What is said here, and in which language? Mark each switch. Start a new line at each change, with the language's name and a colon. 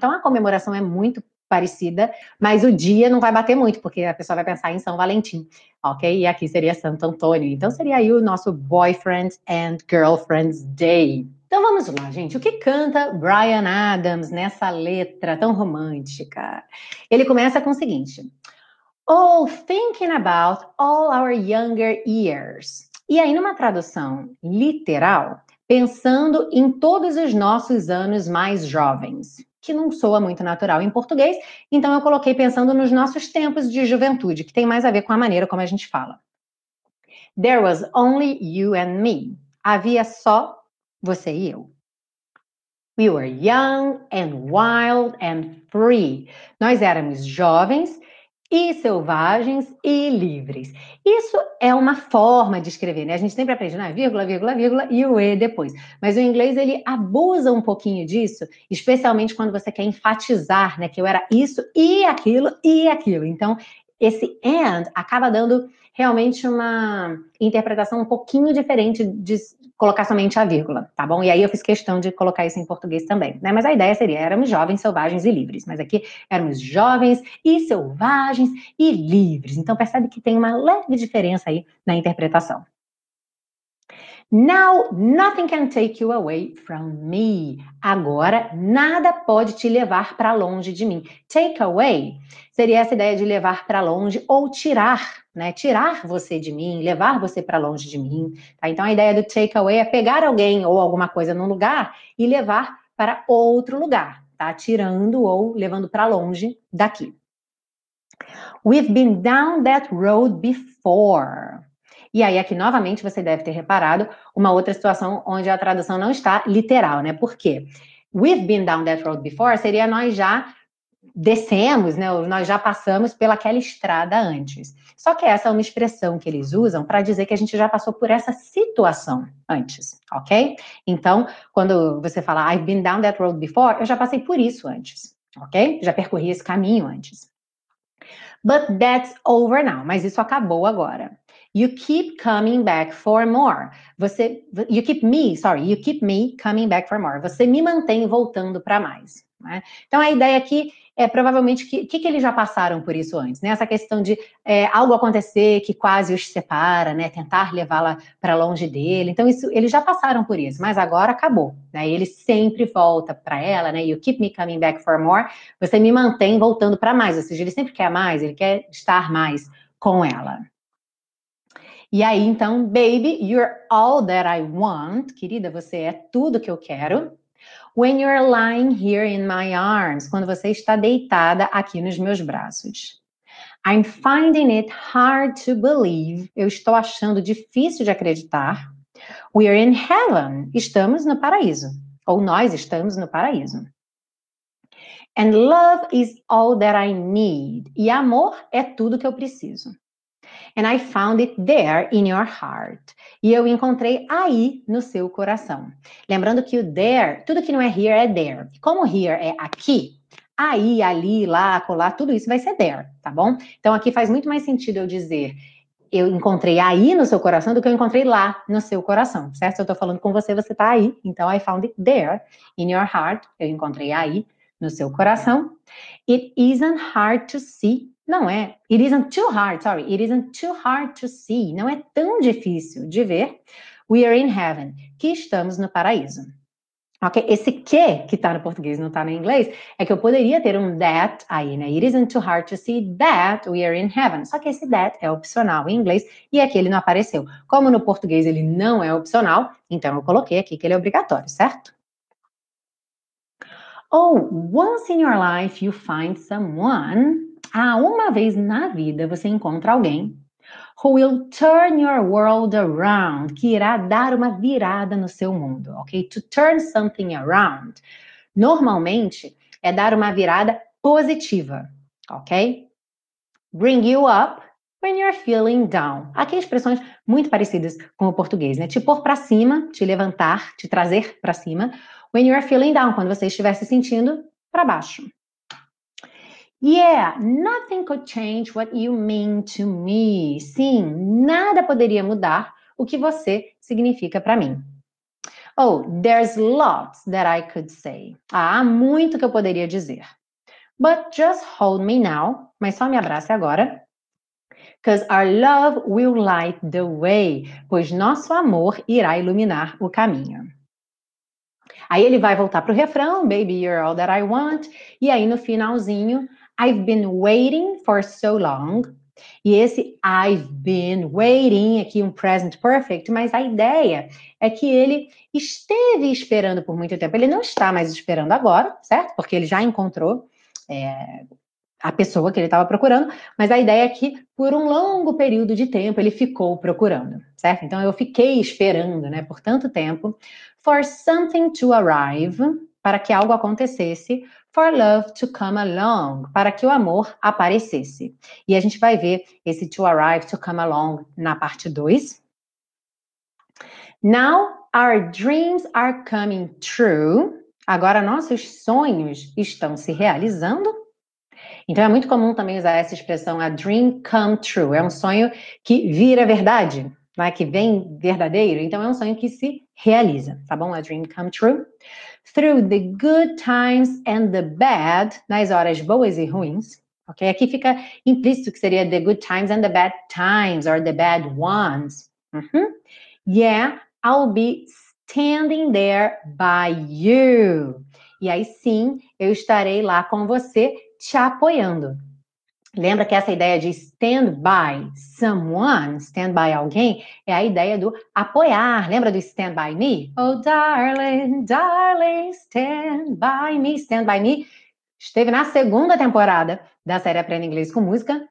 Portuguese: Então, a comemoração é muito parecida, mas o dia não vai bater muito, porque a pessoa vai pensar em São Valentim, ok? E aqui seria Santo Antônio. Então, seria aí o nosso
English: Boyfriend and Girlfriend's Day.
Portuguese: Então vamos lá, gente. O que canta Bryan Adams nessa letra tão romântica? Ele começa com o seguinte.
English: Oh, thinking about all our younger years.
Portuguese: E aí, numa tradução literal, pensando em todos os nossos anos mais jovens, que não soa muito natural em português, então eu coloquei pensando nos nossos tempos de juventude, que tem mais a ver com a maneira como a gente fala.
English: There was only you and me.
Portuguese: Havia só você e eu.
English: We were young and wild and free.
Portuguese: Nós éramos jovens e selvagens e livres. Isso é uma forma de escrever, né? A gente sempre aprende, né? Vírgula, vírgula, vírgula e o E depois. Mas o inglês, ele abusa um pouquinho disso, especialmente quando você quer enfatizar, né? Que eu era isso e aquilo e aquilo. Então, esse and acaba dando realmente uma interpretação um pouquinho diferente de colocar somente a vírgula, tá bom? E aí eu fiz questão de colocar isso em português também, né? Mas a ideia seria, éramos jovens, selvagens e livres. Mas aqui, éramos jovens e selvagens e livres. Então percebe que tem uma leve diferença aí na interpretação.
English: Now, nothing can take you away from me.
Portuguese: Agora, nada pode te levar para longe de mim. Take away seria essa ideia de levar para longe ou tirar, né? Tirar você de mim, levar você para longe de mim. Tá? Então, a ideia do take away é pegar alguém ou alguma coisa num lugar e levar para outro lugar, tá? Tirando ou levando para longe daqui.
English: We've been down that road before.
Portuguese: E aí, aqui, novamente, você deve ter reparado uma outra situação onde a tradução não está literal, né? Por quê?
English: We've been down that road before
Portuguese: seria nós já descemos, né? Nós já passamos pelaquela estrada antes. Só que essa é uma expressão que eles usam para dizer que a gente já passou por essa situação antes, ok? Então, quando você fala
English: I've been down that road before,
Portuguese: eu já passei por isso antes, ok? Já percorri esse caminho antes.
English: But that's over now.
Portuguese: Mas isso acabou agora.
English: You keep coming back for more. You keep me coming back for more.
Portuguese: Você me mantém voltando para mais. Né? Então, a ideia aqui é provavelmente que eles já passaram por isso antes. Né? Essa questão de algo acontecer que quase os separa, né? Tentar levá-la para longe dele. Então, isso, eles já passaram por isso, mas agora acabou. Né? Ele sempre volta para ela. Né?
English: You keep me coming back for more.
Portuguese: Você me mantém voltando para mais. Ou seja, ele sempre quer mais. Ele quer estar mais com ela. E aí, então,
English: baby, you're all that I want.
Portuguese: Querida, você é tudo que eu quero.
English: When you're lying here in my arms.
Portuguese: Quando você está deitada aqui nos meus braços.
English: I'm finding it hard to believe.
Portuguese: Eu estou achando difícil de acreditar.
English: We're in heaven.
Portuguese: Estamos no paraíso. Ou nós estamos no paraíso.
English: And love is all that I need.
Portuguese: E amor é tudo que eu preciso.
English: And I found it there in your heart.
Portuguese: E eu encontrei aí no seu coração. Lembrando que o there, tudo que não é here é there. Como here é aqui, aí, ali, lá, acolá, tudo isso vai ser there, tá bom? Então, aqui faz muito mais sentido eu dizer eu encontrei aí no seu coração do que eu encontrei lá no seu coração, certo? Se eu tô falando com você, você tá aí. Então,
English: I found it there in your heart.
Portuguese: Eu encontrei aí no seu coração.
English: It isn't hard to see.
Portuguese: Não é.
English: It isn't too hard, sorry. It isn't too hard to see.
Portuguese: Não é tão difícil de ver.
English: We are in heaven.
Portuguese: Que estamos no paraíso. Ok? Esse que tá no português, não tá no inglês, é que eu poderia ter um that aí, né?
English: It isn't too hard to see that we are in heaven.
Portuguese: Só que esse that é opcional em inglês e aqui ele não apareceu. Como no português ele não é opcional, então eu coloquei aqui que ele é obrigatório, certo?
English: Oh, once in your life you find someone...
Portuguese: Ah, uma vez na vida você encontra alguém
English: who will turn your world around,
Portuguese: que irá dar uma virada no seu mundo, ok?
English: To turn something around,
Portuguese: normalmente, é dar uma virada positiva, ok?
English: Bring you up when you're feeling down.
Portuguese: Aqui expressões muito parecidas com o português, né? Te pôr pra cima, te levantar, te trazer pra cima,
English: when you're feeling down,
Portuguese: quando você estiver se sentindo pra baixo.
English: Yeah, nothing could change what you mean to me.
Portuguese: Sim, nada poderia mudar o que você significa para mim.
English: Oh, there's lots that I could say.
Portuguese: Ah, há muito que eu poderia dizer.
English: But just hold me now.
Portuguese: Mas só me abrace agora.
English: Because our love will light the way.
Portuguese: Pois nosso amor irá iluminar o caminho. Aí ele vai voltar pro refrão.
English: Baby, you're all that I want.
Portuguese: E aí no finalzinho...
English: I've been waiting for so long.
Portuguese: E esse
English: I've been waiting,
Portuguese: aqui um present perfect, mas a ideia é que ele esteve esperando por muito tempo. Ele não está mais esperando agora, certo? Porque ele já encontrou a pessoa que ele estava procurando. Mas a ideia é que por um longo período de tempo ele ficou procurando, certo? Então eu fiquei esperando, né, por tanto tempo.
English: For something to arrive,
Portuguese: para que algo acontecesse.
English: For love to come along,
Portuguese: para que o amor aparecesse. E a gente vai ver esse
English: to arrive, to come along
Portuguese: na parte 2.
English: Now our dreams are coming true.
Portuguese: Agora nossos sonhos estão se realizando. Então é muito comum também usar essa expressão,
English: a dream come true.
Portuguese: É um sonho que vira verdade, né? Que vem verdadeiro. Então é um sonho que se realiza, tá bom?
English: A dream come true. Through the good times and the bad,
Portuguese: nas horas boas e ruins, ok? Aqui fica implícito que seria
English: the good times and the bad times, or the bad ones. Uhum. Yeah, I'll be standing there by you.
Portuguese: E aí sim, eu estarei lá com você, te apoiando. Lembra que essa ideia de
English: stand by someone,
Portuguese: stand by alguém, é a ideia do apoiar. Lembra do stand by me?
English: Oh, darling, darling, stand by me,
Portuguese: esteve na segunda temporada da série Aprenda Inglês com Música.